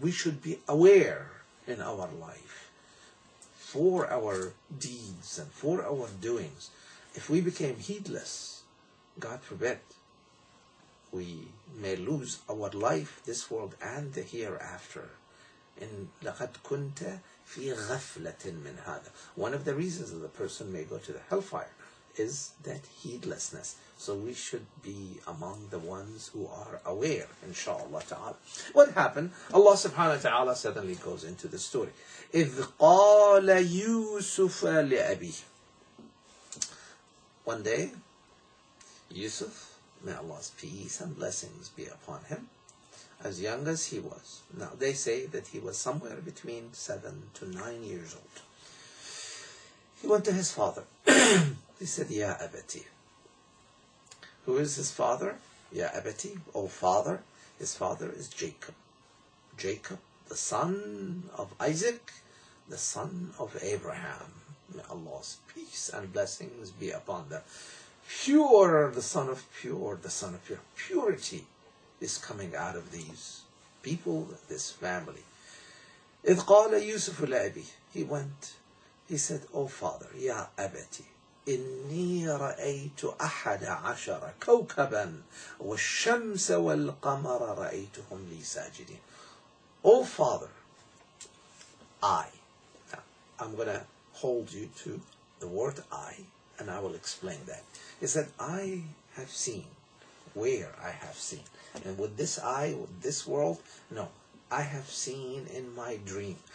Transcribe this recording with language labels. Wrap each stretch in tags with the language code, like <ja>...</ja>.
<en>We should be aware in our life for our deeds and for our doings. If we became heedless, God forbid, we may lose our life, this world, and the hereafter. In</en> <ar>لَقَدْ كُنْتَ فِي غَفْلَةٍ مِّنْ هَذَا.</ar> <en>One of the reasons that the person may go to the hellfire is that heedlessness. So we should be among the ones who are aware, inshallah ta'ala. What happened? Allah subhanahu wa ta'ala suddenly goes into the story.</en> <ar>إِذْ قَالَ يُوسُفَ لِأَبِيهِ.</ar> <en>One day, Yusuf, may Allah's peace and blessings be upon him, as young as he was. Now, they say that he was somewhere between 7 to 9 years old. He went to his father. He said, Ya Abati. Who is his father? Ya Abati, O father. His father is Jacob. Jacob, the son of Isaac, the son of Abraham. May Allah's peace and blessings be upon them. Pure, the son of pure, the son of pure. Purity is coming out of these people, this family.</en> <ar>إِذْ قَالَ يُوسُفُ لَأَبِيهِ.</ar> <en>He went, he said, O father,</en> <ar>يَا أَبَتِي, إِنِّي رَأَيْتُ أَحَدَ عَشَرَ كَوْكَبًا وَالشَّمْسَ وَالْقَمَرَ رَأَيْتُهُمْ لِي سَاجِدِينَ.</ar> <en>O father, I'm going to hold you to the word I, and I will explain that. He said, I have seen. Where I have seen. And with this eye, with this world, no, I have seen in my dream.</en>